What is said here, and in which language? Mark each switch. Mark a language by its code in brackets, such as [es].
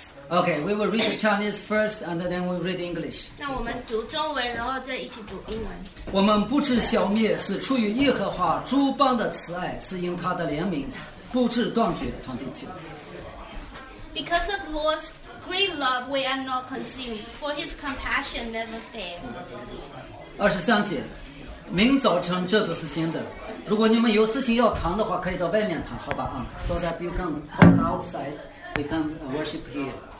[en] Okay, we will read the Chinese first, and then we read English. [zh] 那我们读中文，然后再一起读英文。我们不至消灭，是出于耶和华诸邦的慈爱，是因他的怜悯，不至断绝。 22. [en] Because of Lord's great love, we are not consumed, for His compassion never fails. [zh] 23. 明早晨，这都是新的。如果你们有事情要谈的话，可以到外面谈，好吧？ [en] So that you can talk outside, we can worship here.